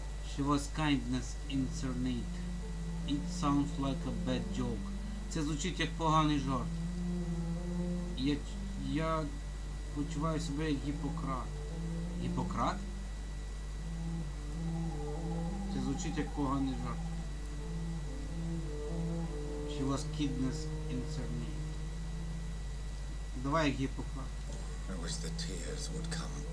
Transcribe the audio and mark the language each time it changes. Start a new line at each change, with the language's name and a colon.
English: She was kindness incarnate. It sounds like a bad joke.
Ukrainian: Це звучить як поганий жарт. я почуваю себе як Гіппократ. Гіппократ? Це звучить як поганий жарт.
English: She was kidnapped in Cerny.
Ukrainian: Давай Гіппократ.
English: I wish the tears would come.